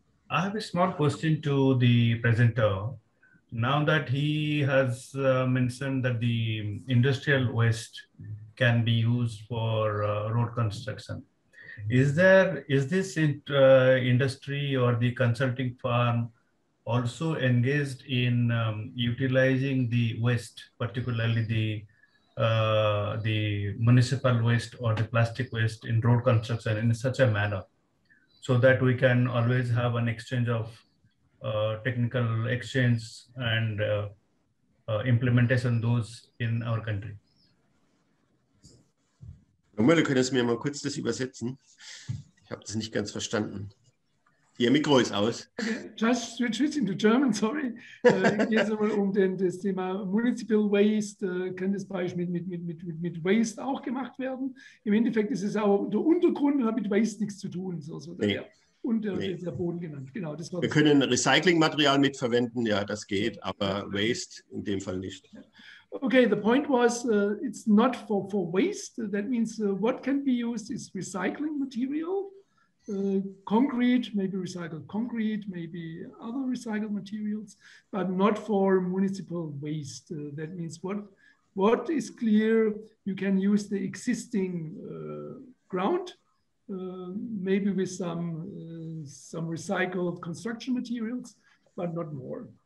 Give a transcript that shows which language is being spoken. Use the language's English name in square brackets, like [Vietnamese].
[English] I have a small question to the presenter. Now that he has mentioned that the industrial waste can be used for road construction, is this industry or the consulting firm also engaged in utilizing the waste, particularly the municipal waste or the plastic waste in road construction in such a manner, so that we can always have an exchange of technical exchange and implementation those in our country? [German] Lohmüller, können Sie mir mal kurz das übersetzen? Ich habe das nicht ganz verstanden. Ihr Mikro ist aus. [English] Okay, just switch into German, sorry. [German] Geht es aber um das Thema Municipal Waste. Kann das Beispiel mit Waste auch gemacht werden? Im Endeffekt ist es aber der Untergrund und hat mit Waste nichts zu tun. Der Boden genannt. Genau, das war wir das können Recyclingmaterial mitverwenden, ja, das geht, aber Waste in dem Fall nicht. [English] Okay, the point was, it's not for waste. That means what can be used is recycling material. Concrete, maybe recycled concrete, maybe other recycled materials, but not for municipal waste. That means what is clear, you can use the existing ground, maybe with some recycled construction materials, but not more.